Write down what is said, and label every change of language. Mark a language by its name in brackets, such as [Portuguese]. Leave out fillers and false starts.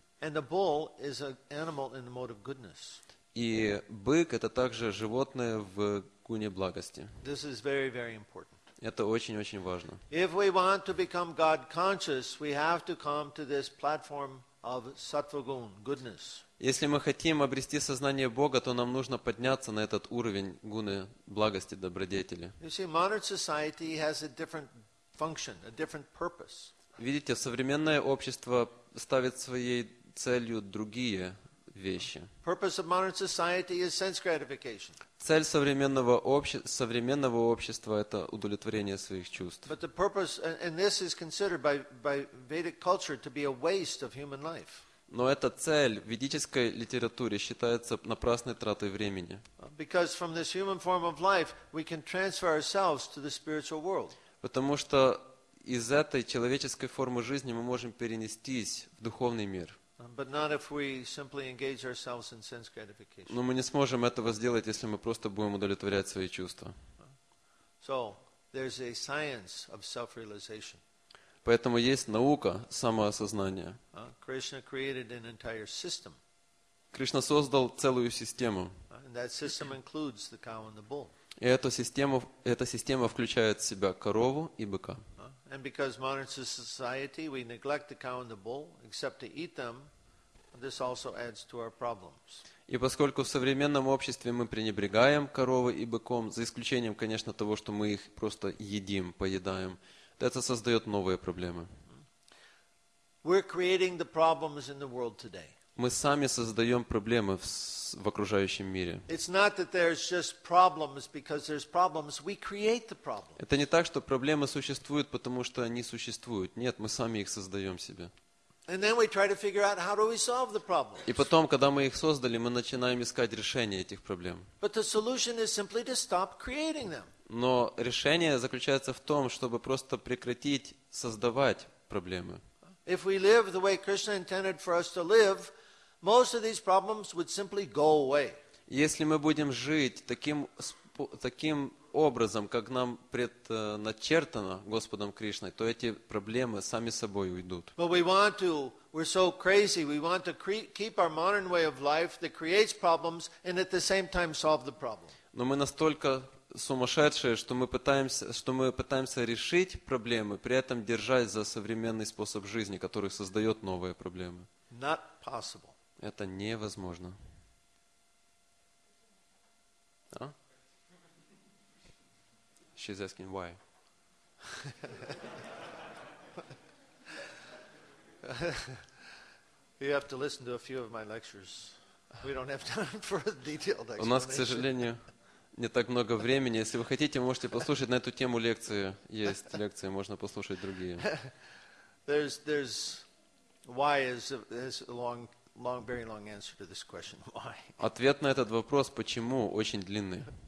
[English] And the bull is an animal in the mode of goodness. [Russian] И бык — это также животное в гуне благости. [English] This is very, very important. [Russian] Это очень-очень важно. [English] If we want to become God conscious, we have to come to this platform of sattva-gun, goodness. [Russian] Если мы хотим обрести сознание Бога, то нам нужно подняться на этот уровень гуны благости, добродетели. [English] You see, modern society has a different function, a different purpose. [Russian] Видите, современное общество ставит своей целью другие вещи. [English] Purpose of modern society is sense gratification. [Russian] Цель современного общества – это удовлетворение своих чувств. [English] But the purpose, and this is considered by Vedic culture to be a waste of human life. [Russian] Но эта цель в ведической литературе считается напрасной тратой времени. [English] Because from this human form of life, we can transfer ourselves to the spiritual world. [Russian] Потому что из этой человеческой формы жизни мы можем перенестись в духовный мир. [English] But not if we simply engage ourselves in sense gratification. [Russian] Но мы не сможем этого сделать, если мы просто будем удовлетворять свои чувства. [English] So there's a science of self-realization. [Russian] Поэтому есть наука самоосознания. [English] Krishna created an entire system. [Russian] Кришна создал целую систему. [English] And that system includes the cow and the bull. [Russian] И эта система включает в себя корову и быка. [English] And because modern society we neglect the cow and the bull except to eat them, this also adds to our problems. [Russian] И поскольку в современном обществе мы пренебрегаем коровой и быком, за исключением, конечно, того, что мы их просто едим, поедаем, это создает новые проблемы. [English] We're creating the problems in the world today. [Russian] Мы сами создаем проблемы в окружающем мире. [English] It's not that there's just problems because there's problems. We create the problems. [Russian] Это не так, что проблемы существуют, потому что они существуют. Нет, мы сами их создаем себе. [English] And then we try to figure out how do we solve the problems. [Russian] И потом, когда мы их создали, мы начинаем искать решение этих проблем. [English] But the solution is simply to stop creating them. [Russian] Но решение заключается в том, чтобы просто прекратить создавать проблемы. [English] If we live the way Krishna intended for us to live, most of these problems would simply go away. [Russian] Если мы будем жить таким образом, как нам предначертано Господом Кришной, то эти проблемы сами собой уйдут. [English] But we want to. We're so crazy. We want to keep our modern way of life that creates problems and at the same time solve the problem. [Russian] Но мы настолько сумасшедшие, что мы пытаемся решить проблемы, при этом держась за современный способ жизни, который создает новые проблемы. [English] Not possible. [Russian] Это невозможно. А? [English] She's asking why. You have to listen to a few of my lectures. We don't have time for a detailed explanation. [Russian] У нас, к сожалению, не так много времени. Если вы хотите, можете послушать на эту тему лекции. Есть лекции, можно послушать другие. [English] There's why is a long, very long answer to this question. Why? [Russian] Ответ на этот вопрос почему очень длинный.